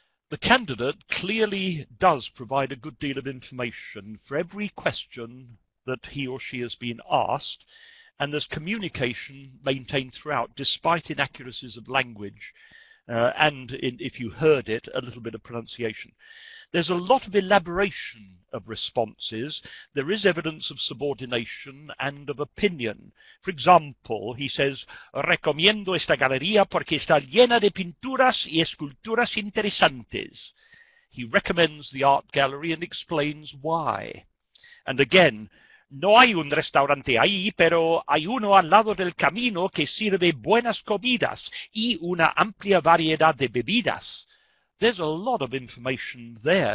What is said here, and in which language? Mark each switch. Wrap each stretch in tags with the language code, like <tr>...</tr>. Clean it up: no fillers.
<en>The candidate clearly does provide a good deal of information for every question that he or she has been asked, and there's communication maintained throughout, despite inaccuracies of language, and in, if you heard it, a little bit of pronunciation. There's a lot of elaboration of responses. There is evidence of subordination and of opinion. For example, he says,</en> <es>"Recomiendo esta galería porque está llena de pinturas y esculturas interesantes."</es> <en>He recommends the art gallery and explains why. And again,</en> <es>"No hay un restaurante ahí, pero hay uno al lado del camino que sirve buenas comidas y una amplia variedad de bebidas."</es> <en>There's a lot of information there.</en>